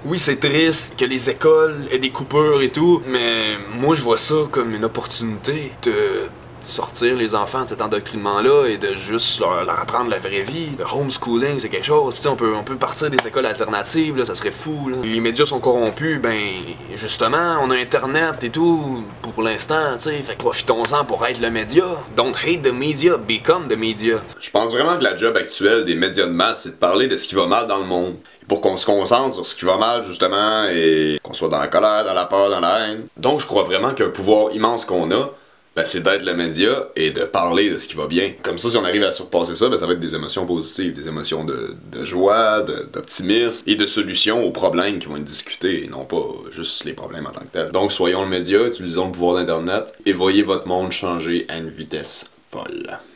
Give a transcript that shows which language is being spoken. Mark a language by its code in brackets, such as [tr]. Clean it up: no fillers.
[fr] Oui, c'est triste que les écoles aient des coupures et tout, mais moi, je vois ça comme une opportunité de sortir les enfants de cet endoctrinement-là et de juste leur apprendre la vraie vie. Le homeschooling, c'est quelque chose. Tu sais, on peut partir des écoles alternatives, là, ça serait fou, là. Les médias sont corrompus, ben, justement, on a Internet et tout, pour l'instant, tu sais, fait que profitons-en pour être le média. [en] Don't hate the media, become the media. [fr] Je pense vraiment que la job actuelle des médias de masse, c'est de parler de ce qui va mal dans le monde. Pour qu'on se concentre sur ce qui va mal, justement, et qu'on soit dans la colère, dans la peur, dans la haine. Donc, je crois vraiment qu'un pouvoir immense qu'on a, ben, c'est d'être le média et de parler de ce qui va bien. Comme ça, si on arrive à surpasser ça, ben, ça va être des émotions positives, des émotions de joie, d'optimisme et de solutions aux problèmes qui vont être discutés, et non pas juste les problèmes en tant que tels. Donc, soyons le média, utilisons le pouvoir d'Internet et voyez votre monde changer à une vitesse folle.